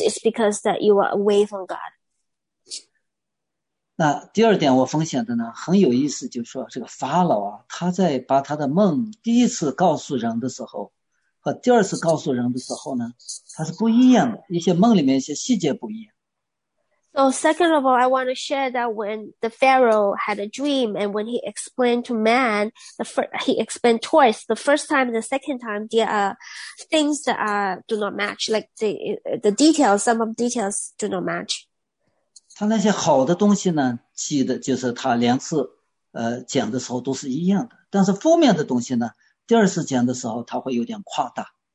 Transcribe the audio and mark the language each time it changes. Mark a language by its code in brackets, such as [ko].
[en] It's because that you are away from God. [zh] 那第二点我分享的呢，很有意思，就是说这个法老啊，他在把他的梦第一次告诉人的时候。和第二次告诉人的时候呢，它是不一样的，一些梦里面一些细节不一样。 [en] So second of all, I want to share that when the Pharaoh had a dream and when he explained to man, he explained twice. The first time and the second time, there are things that do not match. Like the details, some of the details do not match. [zh] 他那些好的东西呢，记得就是他两次讲的时候都是一样的。但是负面的东西呢，第二次讲的时候他会有点夸大。